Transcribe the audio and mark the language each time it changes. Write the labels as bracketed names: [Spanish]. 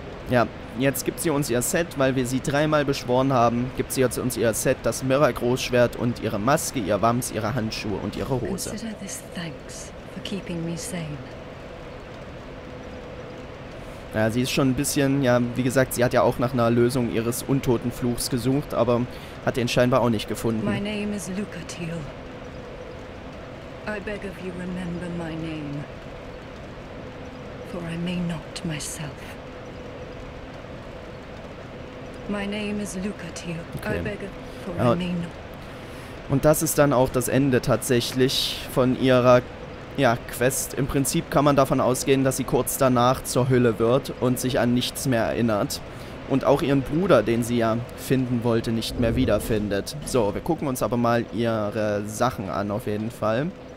[German] Ja, jetzt gibt sie uns ihr Set, weil wir sie dreimal beschworen haben, gibt sie jetzt uns ihr Set, das Mirra-Großschwert und ihre Maske, ihr Wams, ihre Handschuhe und ihre Hose. [English] Consider this thanks for keeping me sane. [German] Ja, sie ist schon ein bisschen, ja, wie gesagt, sie hat ja auch nach einer Lösung ihres untoten Fluchs gesucht, aber hat den scheinbar auch nicht gefunden. [English] My name is Lucatiel. I beg of you, remember my name. For I may not myself. My name is Lucatiel. Okay. I beg of you, for I may not. [German] Und das ist dann auch das Ende tatsächlich von ihrer... Ja, Quest. Im Prinzip kann man davon ausgehen, dass sie kurz danach zur Hülle wird und sich an nichts mehr erinnert. Und auch ihren Bruder, den sie ja finden wollte, nicht mehr wiederfindet. So, wir gucken uns aber mal ihre Sachen an, auf jeden Fall.